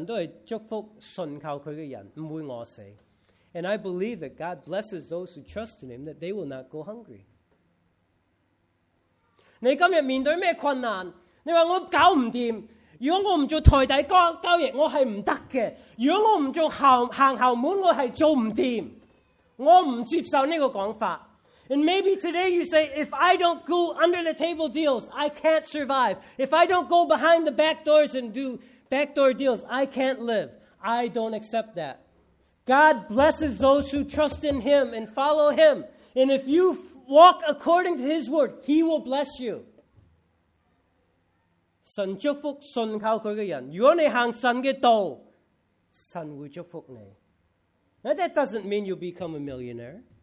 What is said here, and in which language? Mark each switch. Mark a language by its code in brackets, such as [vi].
[zh] 哇,你天上的福气,众多。我相信神都是祝福信靠他的人,不会饿死。 [en] And I believe that God blesses those who trust in him, that they will not go hungry. [zh] 你今天面对什么困难?你说我搞不定,如果我不做台底交易,我是不行的。如果我不做行后门,我是做不定。我不接受这个说法。 [en] And maybe today you say, if I don't go under the table deals, I can't survive. If I don't go behind the back doors and do backdoor deals, I can't live. I don't accept that. God blesses those who trust in him and follow him. And if you walk according to his word, he will bless you. [zh] 神祝福信靠他的人,如果你行神的道,神会祝福你. [en] Now that doesn't mean you'll become a millionaire.